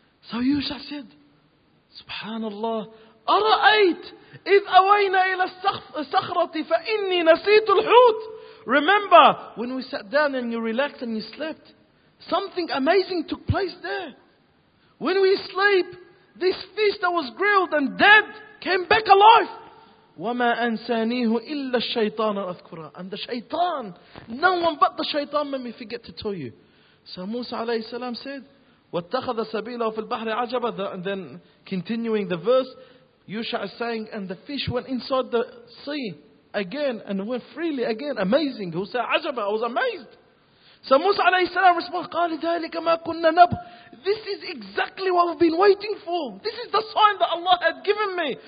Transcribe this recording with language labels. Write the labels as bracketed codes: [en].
[en] So Yusha said, Subhanallah, [ar] أرأيت إذ أوينا إلى الصخرة فإني نسيت الحوت. [en] Remember when we sat down and you relaxed and you slept, something amazing took place there. When we sleep, this fish that was grilled and dead came back alive. [ar] وما أنسانيه إلا الشيطان أذكره. [en] And the shaitan, no one but the shaitan made me forget to tell you. So Musa alayhi salam said, [ar] واتخذ سبيله في البحر عجبا. [en] And then continuing the verse, Yusha is saying, and the fish went inside the sea again and went freely again. Amazing. He said, [ar] عجبا, [en] I was amazed. So Musa alayhi salam responded, [ar] قال ذلك ما كنا نب. [en] This is exactly what we've been waiting for. This is the sign that Allah had given me.